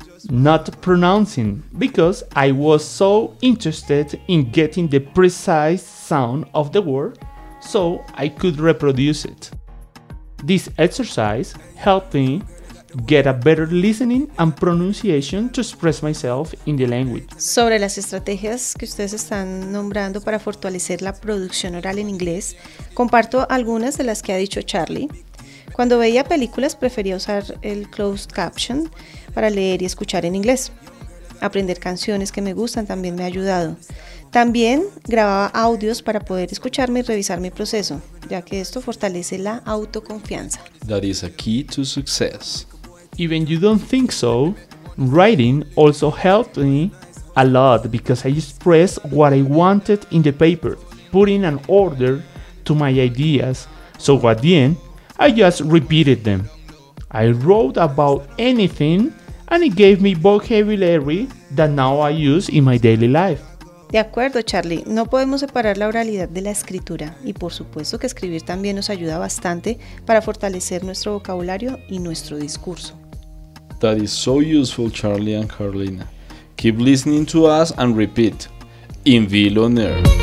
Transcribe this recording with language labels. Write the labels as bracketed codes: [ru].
[en] Not pronouncing, because I was so interested in getting the precise sound of the word so I could reproduce it. This exercise helped me get a better listening and pronunciation to express myself in the language. [es] Sobre las estrategias que ustedes están nombrando para fortalecer la producción oral en inglés, comparto algunas de las que ha dicho Charlie. Cuando veía películas prefería usar el closed caption para leer y escuchar en inglés. aprender canciones que me gustan también me ha ayudado. También grababa audios para poder escucharme y revisar mi proceso, ya que esto fortalece la autoconfianza. [en] That is a key to success. Even you don't think so, writing also helped me a lot because I expressed what I wanted in the paper, putting an order to my ideas, so at the end, I just repeated them. I wrote about anything and it gave me vocabulary that now I use in my daily life. [es] De acuerdo, Charlie, no podemos separar la oralidad de la escritura y por supuesto que escribir también nos ayuda bastante para fortalecer nuestro vocabulario y nuestro discurso. [en] That is so useful, Charlie and Carolina. Keep listening to us and repeat. Invite on air.